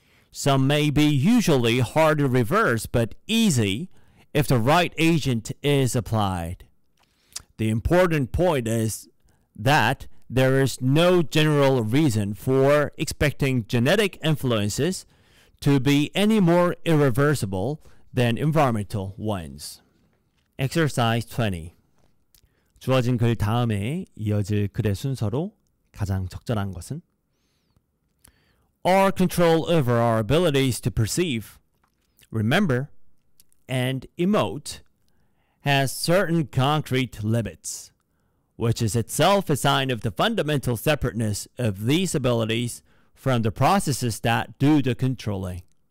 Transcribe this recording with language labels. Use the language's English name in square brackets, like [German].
[English] Some may be usually hard to reverse, but easy if the right agent is applied. The important point is that there is no general reason for expecting genetic influences to be any more irreversible than environmental ones. Exercise 20. [Korean] 주어진 글 다음에 이어질 글의 순서로 가장 적절한 것은? [English] Our control over our abilities to perceive, remember, and emote has certain concrete limits, which is itself a sign of the fundamental separateness of these abilities from the processes that do the controlling.